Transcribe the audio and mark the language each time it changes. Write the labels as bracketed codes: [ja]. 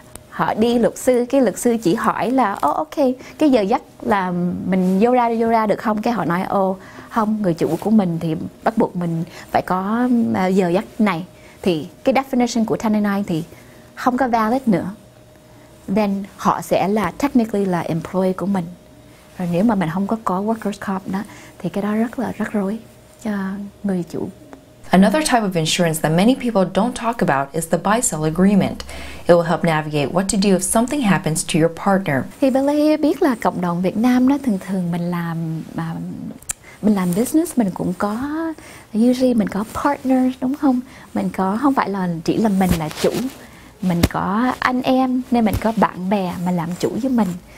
[vi] Họ đi luật sư, cái luật sư chỉ hỏi là ô oh, ok, cái giờ giấc là mình vô ra được không? Cái họ nói ô không, người chủ của mình thì bắt buộc mình phải có giờ giấc này. Thì cái definition của 1099 thì không có valid nữa. Then họ sẽ là technically là employee của mình. Rồi nếu mà mình không có workers comp đó, thì cái đó rất là rắc rối cho người chủ. [en] Another type of insurance that many people don't talk about is the buy-sell agreement. It will help navigate what to do if something happens to your partner. [vi] Thì Billy biết là cộng đồng Việt Nam đó thường thường mình làm mình làm business mình cũng có usually mình có partner đúng không? Mình có không phải là chỉ là mình là chủ, mình có anh em nên mình có bạn bè mà làm chủ với mình.